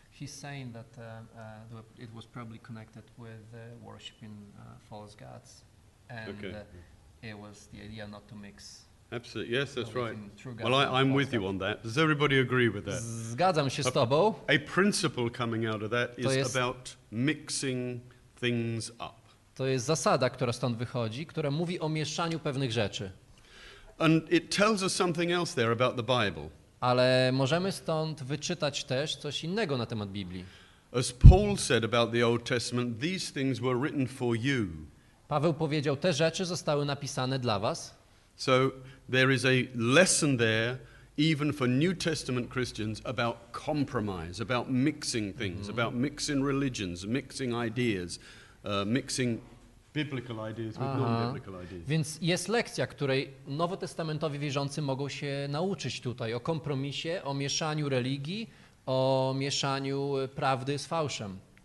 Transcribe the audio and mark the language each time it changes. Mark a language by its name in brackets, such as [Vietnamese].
[English] He's saying that it was probably connected with worshiping false gods, and it was the idea not to mix. Absolutely. Yes, that's right. Well, I'm with you on that. Does everybody agree with that? [Polish] Zgadzam się z tobą. [English] A principle coming out of that is about mixing things up. [Polish] To jest zasada, która stąd wychodzi, która mówi o mieszaniu pewnych rzeczy. [English] And it tells us something else there about the Bible. [Polish] Ale możemy stąd wyczytać też coś innego na temat Biblii. [English] As Paul said about the Old Testament, these things were written for you. [Polish] Paweł powiedział, te rzeczy zostały napisane dla was. [English] So there is a lesson there, even for New Testament Christians, about compromise, about mixing things, about mixing religions, mixing ideas, mixing biblical ideas with non-biblical ideas. [Polish] Więc jest lekcja, której nowotestamentowi wierzący mogą się nauczyć tutaj, o kompromisie, o mieszaniu religii, o mieszaniu prawdy z fałszem.